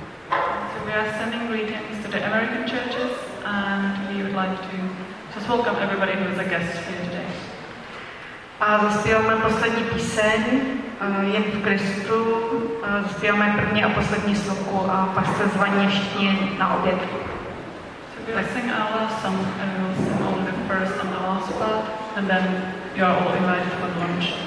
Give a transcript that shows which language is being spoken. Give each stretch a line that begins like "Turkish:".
English: So we are sending greetings to the American churches and we would like to just welcome everybody who is a guest here today.
Czech: A zaspíváme poslední píseň, jen v Kristu, zaspíváme první a poslední sloku a pak se zvaní všichni na oběd.
English: So we are singing our last song and we will sing only the first and the last part and then you are all invited for lunch.